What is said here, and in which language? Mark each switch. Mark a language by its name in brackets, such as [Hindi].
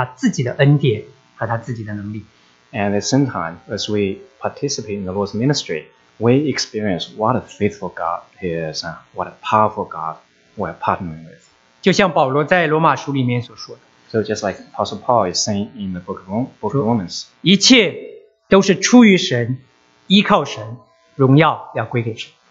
[Chinese] 另一方面呢，也让我们可以更多的经历神他自己的恩典和他自己的能力。 [English] And at the same time, as we participate in the Lord's ministry, we experience what a faithful God he is and what a powerful God we are partnering with. [Chinese] 就像保罗在罗马书里面所说的。 [English] So just like Apostle Paul is saying in the book of Romans, [Chinese] 一切都是出于神, 依靠神, 荣耀要归给神。